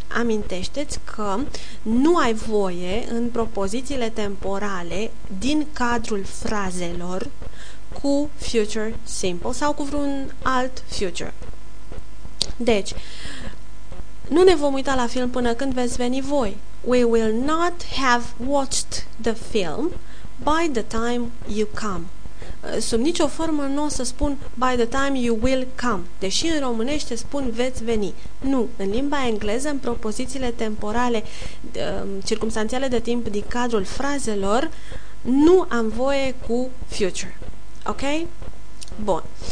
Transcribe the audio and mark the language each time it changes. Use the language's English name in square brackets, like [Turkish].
[Romanian] Amintește-ți că nu ai voie în propozițiile temporale din cadrul frazelor cu future simple sau cu vreun alt future. Deci, nu ne vom uita la film până când veți veni voi. [English] We will not have watched the film by the time you come. [Romanian] Sub nicio formă nu o să spun [English] by the time you will come, [Romanian] deși în românește spun veți veni. Nu, în limba engleză, în propozițiile temporale, circumstanțiale de timp din cadrul frazelor, nu am voie cu future. Ok? Bun.